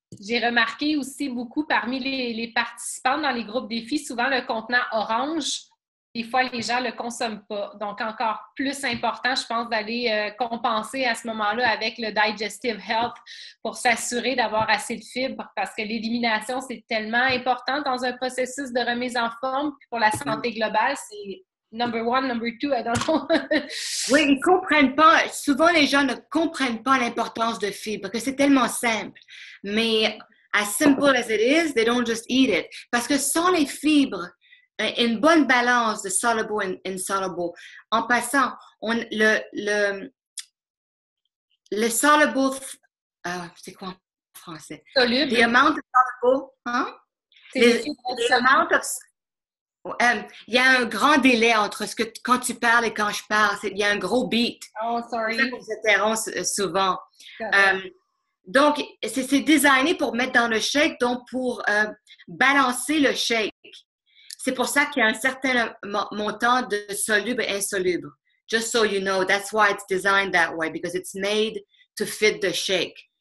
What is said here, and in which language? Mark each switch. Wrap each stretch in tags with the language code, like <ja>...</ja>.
<fr>J'ai remarqué aussi beaucoup parmi les participants dans les groupes défis, souvent le contenant orange, des fois les gens ne le consomment pas. Donc, encore plus important, je pense, d'aller compenser à ce moment-là avec le Digestive Health pour s'assurer d'avoir assez de fibres parce que l'élimination, c'est tellement important dans un processus de remise en forme pour la santé globale.</fr> <en>C'est number one, number two, I don't know.</en> <fr>Oui, ils ne comprennent pas. Souvent, les gens ne comprennent pas l'importance de fibres, que c'est tellement simple.</fr> <en>Mais as simple as it is, they don't just eat it.</en> <fr>Parce que sans les fibres, une bonne balance de</fr> <en>soluble and insoluble.</en> <fr>En passant, le soluble, c'est quoi en français? Soluble.</fr> <en>The amount of soluble, hein?</en> <fr>Il y a un grand délai entre ce que quand tu parles et quand je parle. Il y a un gros beat.</fr> <en>Oh, sorry.</en> <fr>C'est ça qu'on s'interrompt souvent. Donc, c'est designé pour mettre dans le shake, donc pour balancer le shake. C'est pour ça qu'il y a un certain montant de soluble et insoluble.</fr> <en>Just so you know, that's why it's designed that way, because it's made to fit the shake.</en>